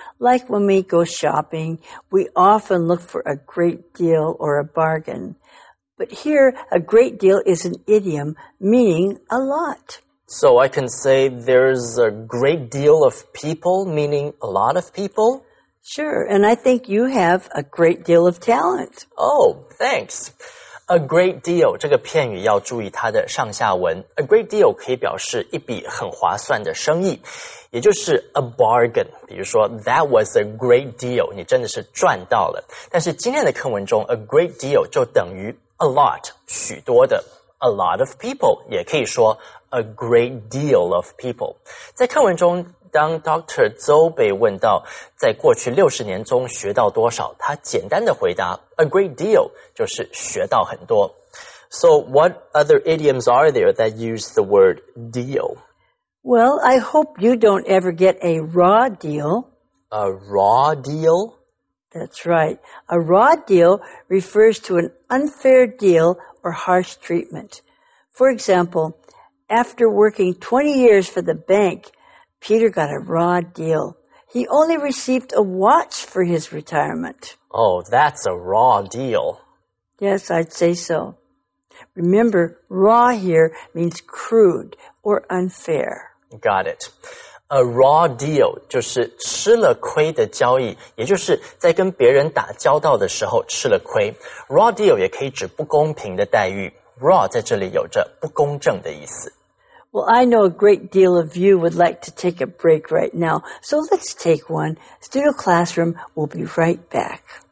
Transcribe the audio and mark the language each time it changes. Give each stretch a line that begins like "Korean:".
English: Like when we go shopping, we often look for a great deal or a bargain. But here, a great deal is an idiom meaning a lot. So I can say there's a great deal of people meaning a lot of people? Sure, and I think you have a great deal of talent. Oh, thanks.
Chinese: A great deal, 这个片语要注意它的上下文。 A great deal 可以表示一笔很划算的生意，也就是 a bargain。比如说 ,
English: that was a great deal,
Chinese: 你真的是赚到了。但是今天的课文中 ,a great deal 就等于 a lot, 许多的。
English: A lot of people,
Chinese: 也可以说
English: a great deal of people.
Chinese: 在课文中当 Dr. Zhou 被问到在过去60年中学到多少，他简单的回答 A great deal, 就是学到很多。
English: So what other idioms are there that use the word deal? Well, I hope you don't ever get a raw deal. A raw deal? That's right. A raw deal refers to an unfair deal or harsh treatment. For example, after working 20 years for the bank, Peter got a raw deal. He only received a watch for his retirement. Oh, that's a raw deal. Yes, I'd say so. Remember, raw here means crude or unfair. Got it.
Chinese: A raw deal 就是吃了亏的交易，也就是在跟别人打交道的时候吃了亏。 Raw deal 也可以指不公平的待遇。Raw 在这里有着不公正的意思。
English: Well, I know a great deal of you would like to take a break right now, so let's take one. Studio Classroom will be right back.